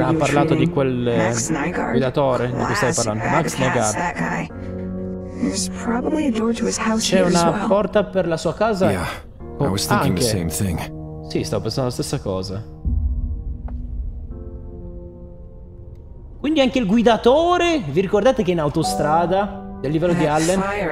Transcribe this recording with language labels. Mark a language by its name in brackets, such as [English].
[Italian] Alan ha parlato di quel guidatore di cui stai parlando. Max Nygaard. C'è una porta per la sua casa? [English] Yeah, I was thinking the same thing. [Italian] Sì, stavo pensando la stessa cosa. Quindi anche il guidatore? Vi ricordate che in autostrada? Del livello di Allen?